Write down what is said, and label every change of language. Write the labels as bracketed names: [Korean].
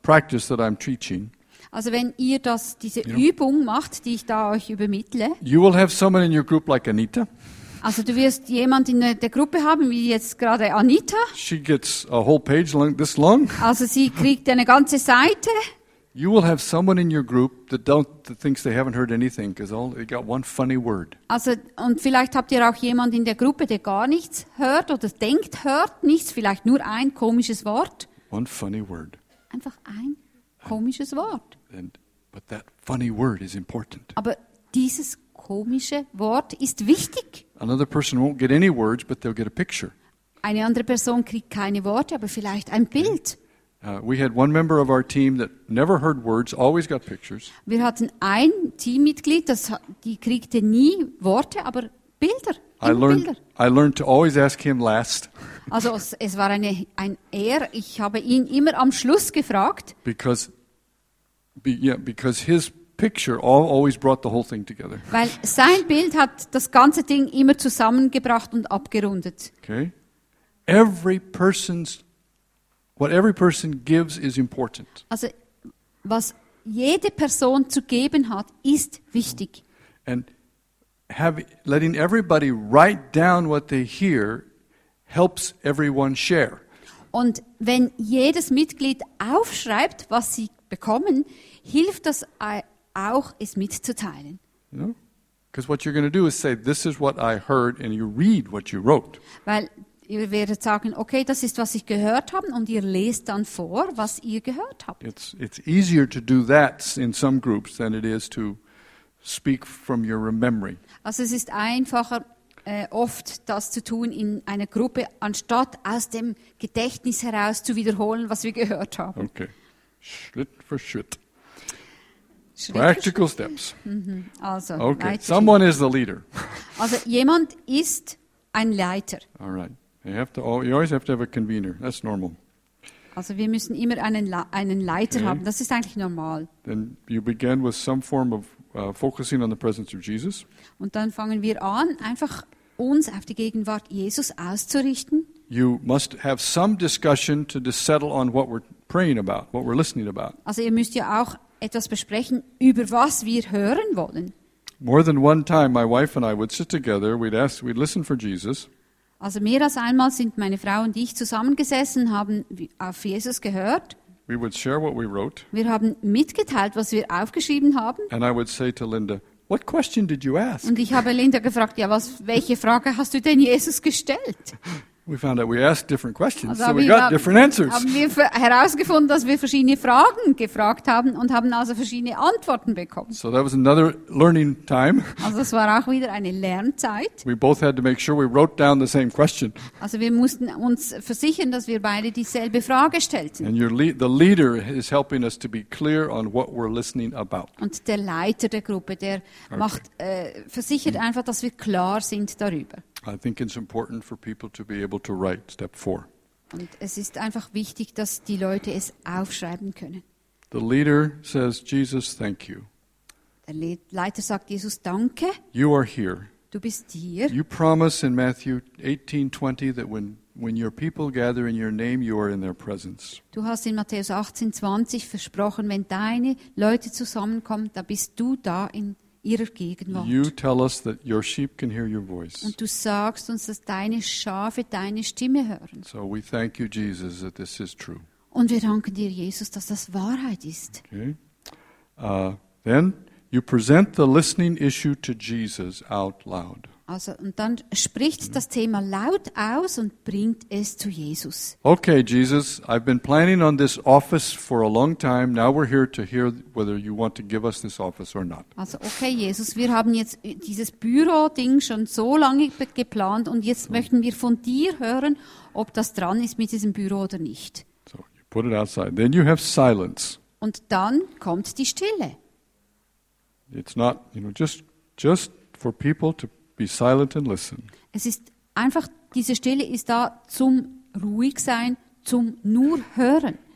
[German] Also wenn ihr diese Übung macht, die ich da euch übermittle, [English] you will have someone in your group like Anita. [German] Also du wirst jemand in der Gruppe haben, wie jetzt gerade Anita. [English] She gets a whole page long, this long. [German] Also sie kriegt eine ganze Seite. [English] You will have someone in your group that thinks they haven't heard anything because they got one funny word. [German] Also und vielleicht habt ihr auch jemand in der Gruppe, der gar nichts hört oder denkt, hört nichts, vielleicht nur ein komisches Wort. [English] One funny word. [German] Einfach ein komisches Wort. [English] But that funny word is important. [German] Aber dieses komische Wort ist wichtig. [English] Another person won't get any words, but they'll get a picture. [German] Eine andere Person kriegt keine Worte, aber vielleicht ein Bild. [English] We had one member of our team that never heard words, always got pictures. [German] Wir hatten ein Teammitglied, die kriegte nie Worte, aber Bilder. [English] I learned to always ask him last. [German] Also es war ein Ehr. Ich habe ihn immer am Schluss gefragt. [English] Because his picture always brought the whole thing together. [German] Weil sein Bild hat das ganze Ding immer zusammengebracht und abgerundet. [English] Okay. What every person gives is important. [German] Also was jede Person zu geben hat, ist wichtig. [English] And letting everybody write down what they hear helps everyone share. [German] Und wenn jedes Mitglied aufschreibt, was sie bekommen, hilft das auch, es mitzuteilen. [English] Because what you're going to do is say, this is what I heard, and you read what you wrote. [German] Weil ihr werdet sagen, okay, das ist, was ich gehört habe, und ihr lest dann vor, was ihr gehört habt. [English] It's easier to do that in some groups than it is to speak from your memory. [German] Also es ist einfacher, oft das zu tun in einer Gruppe, anstatt aus dem Gedächtnis heraus zu wiederholen, was wir gehört haben. [English] Okay. [German] Schritt für Schritt. [English] Practical steps. [German] Also, [English] okay, someone is the leader. [German] Also, jemand ist ein Leiter. [English] All right. You always have to have a convener. That's normal. [German] Also wir müssen immer einen Leiter haben. Das ist eigentlich normal. [English] Then you begin with some form of focusing on the presence of Jesus. [German] Und dann fangen wir an, einfach uns auf die Gegenwart Jesus auszurichten. [English] You must have some discussion to settle on what we're praying about, what we're listening about. [German] Also ihr müsst ja auch etwas besprechen, über was wir hören wollen. [English] More than one time, my wife and I would sit together, we'd listen for Jesus. [German] Also mehr als einmal sind meine Frau und ich zusammengesessen, haben auf Jesus gehört. [English] We would share what we wrote. [German] Wir haben mitgeteilt, was wir aufgeschrieben haben. [English] And I would say to Linda, what question did you ask? [German] Und ich habe Linda gefragt, ja, welche Frage hast du denn Jesus gestellt? [English] We found out we asked different questions, also so we got different answers. [German] Haben wir herausgefunden, dass wir verschiedene Fragen gefragt haben und haben also verschiedene Antworten bekommen. [English] So that was another learning time. [German] Also das war auch wieder eine Lernzeit. [English] We both had to make sure we wrote down the same question. [German] Also wir mussten uns versichern, dass wir beide dieselbe Frage stellten. [English] And the leader is helping us to be clear on what we're listening about. [German] Und der Leiter der Gruppe, der macht versichert einfach, dass wir klar sind darüber. [English] I think it's important for people to be able to write step 4. [German] Und es ist einfach wichtig, dass die Leute es aufschreiben können. [English] The leader says, Jesus, thank you. [German] Der Leiter sagt Jesus danke. [English] You are here. [German] Du bist hier. [English] You promise in Matthew 18:20 that when your people gather in your name, you are in their presence. [German] Du hast in Matthäus 18:20 versprochen, wenn deine Leute zusammenkommen, da bist du da in ihrer Gegenwart. [English] You tell us that your sheep can hear your voice. [German] Und du sagst uns, dass deine Schafe deine Stimme hören. [English] So we thank you, Jesus, that this is true. [German] Und wir danken dir, Jesus, dass das Wahrheit ist. [English] Okay. Then you present the listening issue to Jesus out loud. [German] Also und dann spricht das Thema laut aus und bringt es zu Jesus. [English] Okay, Jesus, I've been planning on this office for a long time. Now we're here to hear whether you want to give us this office or not. [German] Also okay, Jesus, wir haben jetzt dieses Büro-Ding schon so lange geplant und jetzt möchten wir von dir hören, ob das dran ist mit diesem Büro oder nicht. [English] So, you put it outside. Then you have silence. [German] Und dann kommt die Stille. [English] It's not, you know, just for people to be silent and listen. [German] Es ist einfach, diese Stille ist da zum ruhig sein, zum nur hören.